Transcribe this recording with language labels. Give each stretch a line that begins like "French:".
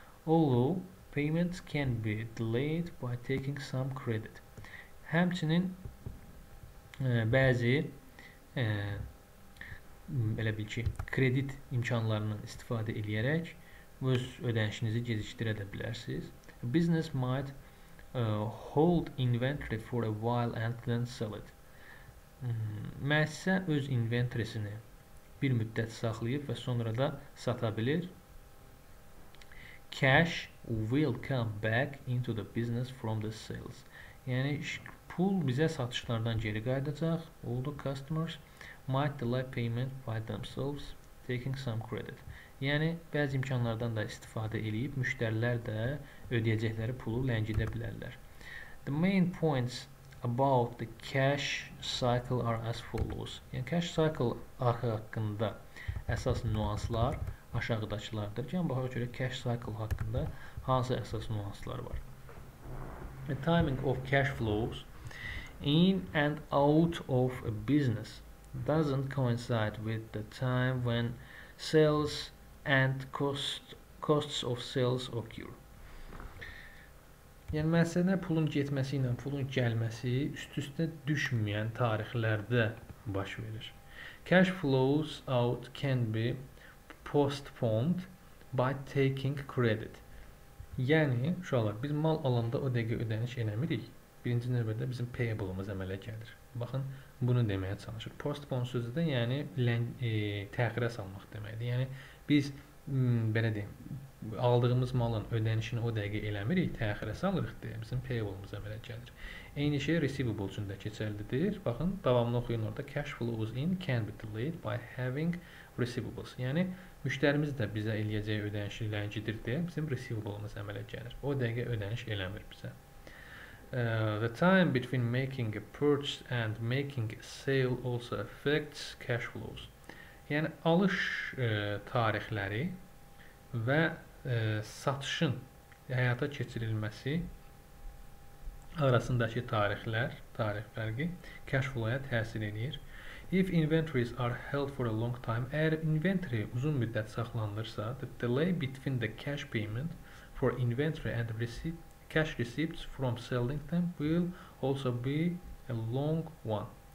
English: Although payments can be delayed by taking some credit.
Azerbaijani: Həmçinin bəzi belə bil ki, kredit imkanlarından istifadə edərək öz ödənişinizi gecikdirə də bilərsiniz.
English: Business might hold inventory for a while and then sell it.
Azerbaijani: Məhsə öz inventorisini bir müddət saxlayıb və sonra da sata bilir.
English: Cash will come back into the business from the sales.
Azerbaijani: Yəni, pul bizə satışlardan geri qayıdacaq.
English: All the customers might delay payment by themselves, taking some credit.
Azerbaijani: Yəni, bəzi imkanlardan da istifadə edib, müştərilər də ödəyəcəkləri pulu ləngidə bilərlər.
English: The main points about the cash cycle are as follows.
Azerbaijani: Yəni, cash cycle haqqında əsas nüanslar aşağıdakılardır. Yəni, baxaq görə cash cycle haqqında hansı əsas nüanslar var.
English: The timing of cash flows in and out of a business doesn't coincide with the time when sales and costs of sales occur.
Azerbaijani: Yəni, məsələn, pulun getməsi ilə pulun gəlməsi üst-üstə düşməyən tarixlərdə baş verir.
English: Cash flows out can be postponed by taking credit.
Azerbaijani: Yəni, uşaqlar, biz mal alanda o dəqiqə ödəniş eləmirik. Birinci növbədə bizim payable-ımız əmələ gəlir. Baxın, bunu deməyə çalışır. Postpone sözü də yəni təxirə salmaq deməkdir. Yəni biz belə deyim, aldığımız malın ödənişini o dəqiqə eləmirik, təxirə salırıq deyə bizim payable-ımız əmələ gəlir. Eyni şey receivable üçün də keçərlidir. Baxın, davamlı oxuyun orada.
English: Cash flows in can be delayed by having receivables.
Azerbaijani: Yəni müştərimiz də bizə eləyəcəyi ödənişi ləngidir deyə bizim receivable-ımız əmələ gəlir. O dəqiqə ödəniş eləmir bizə.
English: The time between making a purchase and making a sale also affects cash flows.
Azerbaijani: Yəni, alış tarixləri və satışın həyata keçirilməsi arasındakı tarix fərqi cash flow-a təsir edir.
English: If inventories are held for a long time,
Azerbaijani: əgər inventory uzun müddət saxlanılırsa,
English: the delay between the cash payment for inventory and receipt cash receipts from selling them will also be a long one.